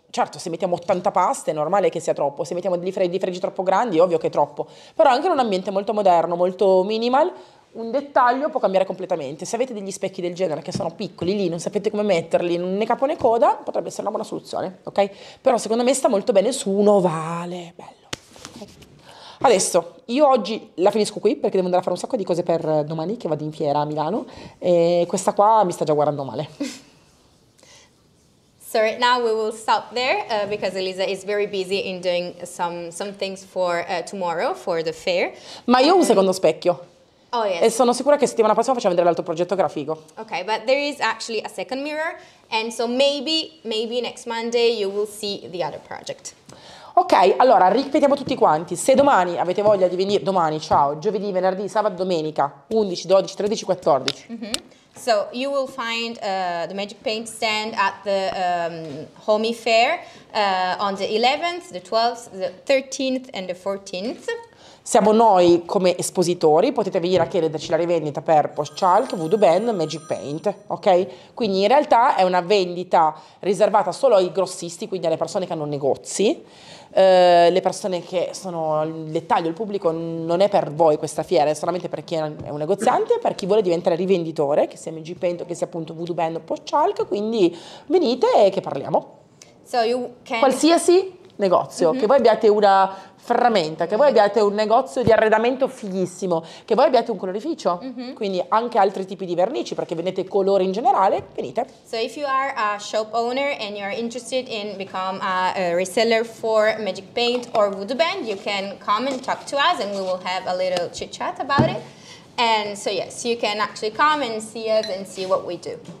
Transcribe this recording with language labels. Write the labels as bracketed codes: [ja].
[it] Certo, se mettiamo 80 paste è normale che sia troppo, se mettiamo dei fregi troppo grandi è ovvio che è troppo, però anche in un ambiente molto moderno, molto minimal, un dettaglio può cambiare completamente. Se avete degli specchi del genere che sono piccoli lì, non sapete come metterli né capo né coda, potrebbe essere una buona soluzione, ok? Però secondo me sta molto bene su un ovale, bello. Adesso, io oggi la finisco qui perché devo andare a fare un sacco di cose per domani, che vado in fiera a Milano, e questa qua mi sta già guardando male. [en] So right now we will stop there because Elisa is very busy in doing some things for tomorrow for the fair. [it] Ma io ho un secondo specchio. [en] Oh yes. [it] E sono sicura che settimana prossima faccio vedere l'altro progetto grafico. [en] Okay, but there is actually a second mirror, and so maybe next Monday you will see the other project. [it] Ok, allora ripetiamo tutti quanti. Se domani avete voglia di venire, domani, ciao, giovedì, venerdì, sabato, domenica, 11, 12, 13, 14. Mm-hmm. [en] So you will find the Magic Paint stand at the Homey Fair on the 11th, the 12th, the 13th and the 14th. [it] Siamo noi come espositori, potete venire a chiederci la rivendita per Postchalk, Voodoo Band, Magic Paint, ok? Quindi in realtà è una vendita riservata solo ai grossisti, quindi alle persone che hanno negozi, le persone che sono il dettaglio, il pubblico non è per voi questa fiera, è solamente per chi è un negoziante, per chi vuole diventare rivenditore, che sia Magic Paint o che sia appunto Voodoo Band o Postchalk, quindi venite e che parliamo. [en] So you can... [it] Qualsiasi negozio, mm-hmm. che voi abbiate una... frammenta, che voi abbiate un negozio di arredamento fighissimo, che voi abbiate un colorificio, mm-hmm. quindi anche altri tipi di vernici, perché vendete colori in generale, venite. [en] So if you are a shop owner and you're interested in become a reseller for Magic Paint or Voodoo Band, you can come and talk to us and we will have a little chit chat about it. And so yes, you can actually come and see us and see what we do.